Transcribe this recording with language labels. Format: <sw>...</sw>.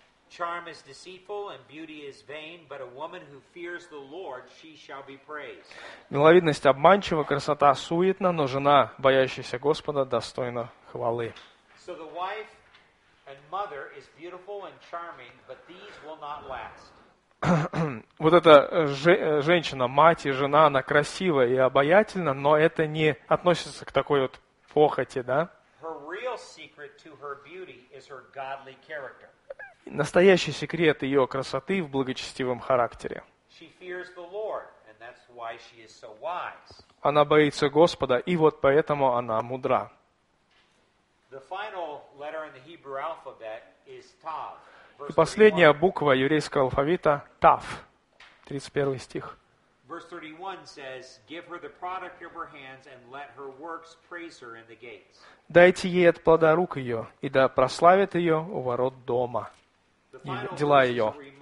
<en>Charm is deceitful and beauty is vain, but a woman who fears the Lord, she shall be praised.</en> <ru>Миловидность обманчива, красота суетна, но жена, боящаяся Господа, достойна хвалы.</ru> <en>So the wife and mother is beautiful and charming, but these will not last.</en> <ru>Вот эта женщина, мать и жена, она красивая и обаятельна, но это не относится к такой вот похоти, да?</ru> <en>Her real secret to her beauty is her godly character.</en> <ru>Настоящий секрет ее красоты в благочестивом характере.</ru> <en>She fears the Lord, and that's why she is so wise.</en> <ru>Она боится Господа, и вот поэтому она мудра.</ru> <en>The final letter in the Hebrew alphabet is Tav.</en> <ru>И последняя буква еврейского алфавита Тав. 31 стих.</ru> <en>Verse 31 says, give her the product of her hands and let her works praise her in the gates.</en> <ru>Дайте ей от плода рук ее, и да прославят ее у ворот дома. Дела ее.</ru>